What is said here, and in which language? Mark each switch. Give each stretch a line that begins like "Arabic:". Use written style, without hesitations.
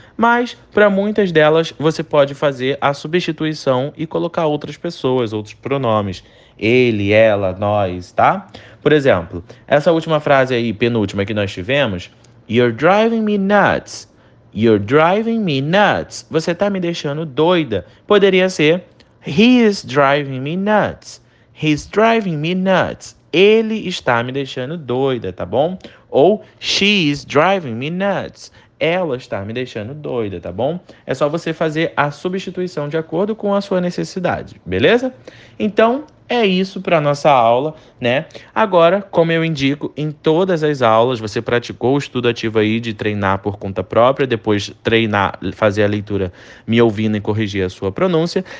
Portuguese: Mas para muitas delas você pode fazer a substituição e colocar outras pessoas, outros pronomes, ele, ela, nós, tá? Por exemplo, essa última frase aí, penúltima, que nós tivemos,
English: you're driving me nuts. You're driving me nuts.
Portuguese: Você está me deixando doida. Poderia ser,
English: he is driving me nuts. He's driving me nuts.
Portuguese: Ele está me deixando doida, tá bom?
English: Ou, she is driving me nuts.
Portuguese: Ela está me deixando doida, tá bom? É só você fazer a substituição de acordo com a sua necessidade, beleza? Então, é isso para a nossa aula, né? Agora, como eu indico em todas as aulas, você praticou o estudo ativo aí de treinar por conta própria, depois treinar, fazer a leitura me ouvindo e corrigir a sua pronúncia.